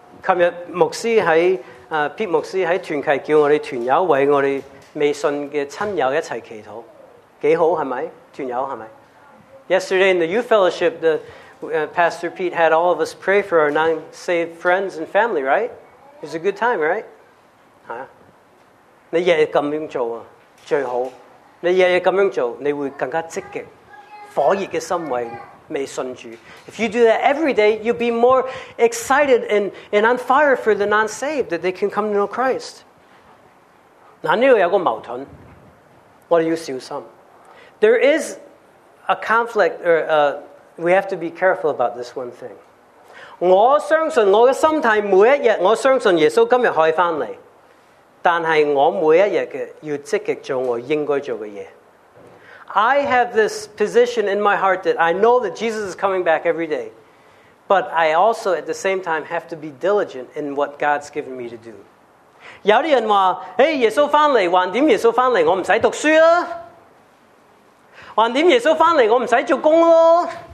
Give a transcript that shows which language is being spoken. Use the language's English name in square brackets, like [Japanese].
[Cantonese] 今日牧师喺Pete 牧师喺团契叫我哋团友为我哋未信嘅亲友一齐祈祷，几好系咪？团友系咪 [English] ？Yesterday in the youth fellowship, thePastor Pete had all of us pray for our non-saved friends and family, right? It was a good time, right? [Cantonese] 啊，你日日咁样做啊，最好。你日日咁样做，你会更加积极、火热嘅心为未信主。 [English] If you do that every day, you'll be more excited and on fire for the non-saved that they can come to know Christ. [Cantonese] 嗱，呢度有个矛盾，我哋要小心。 [English] There is a conflict or a We have to be careful about this one thing. [Cantonese] 我相信我嘅心态每一日，我相信耶稣今日可以翻嚟，但系我每一日嘅要积极做我应该做嘅嘢。 [English] I have this position in my heart that I know that Jesus is coming back every day, but I also at the same time have to be diligent in what God's given me to do. [Cantonese] 有啲人话：，诶，耶稣翻嚟，还点耶稣翻嚟？我唔使读书啦，还点耶稣翻嚟？我唔使做工咯。